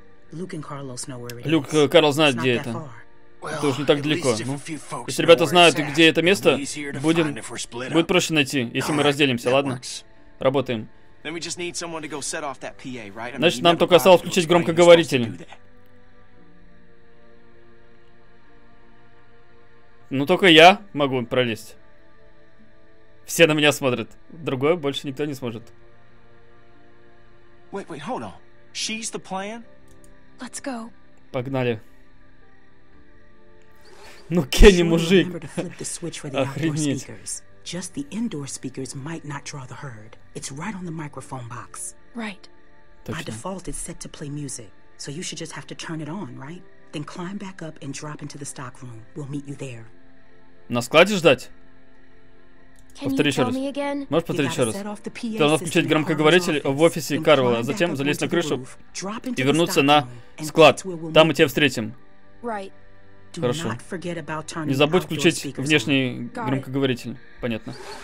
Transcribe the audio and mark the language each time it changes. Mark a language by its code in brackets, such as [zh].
[ru] Люк Карл знает, где это. Это уж не так далеко. Если ребята знают, где это место, будет проще найти, если мы разделимся, ладно? Работаем. [en] Then we just need someone to go set off that PA, right? [ru] Значит, нам только осталось включить громкоговоритель. Ну, только я могу пролезть. Все на меня смотрят. Другое больше никто не сможет. [en] Wait, hold on. She's the plan? Let's go. [ru] Погнали. Ну, Кенни, мужик. Охренеть. [en] Just the indoor speakers might not draw the herd. It's right on the microphone box. Right. [ru] Точно. [en] By default, it's set to play music, so you should just have to turn it on, right? Then climb back up and drop into the stock room. We'll meet you there. [ru] На складе ждать? Повтори еще раз. Можешь повторить еще раз? Ты должен включить громкоговоритель в офисе Карла, а затем залезть на крышу и вернуться на склад. Там мы тебя встретим. [en] Right. [ru] Хорошо. Не забудь включить внешний громкоговоритель. Понятно.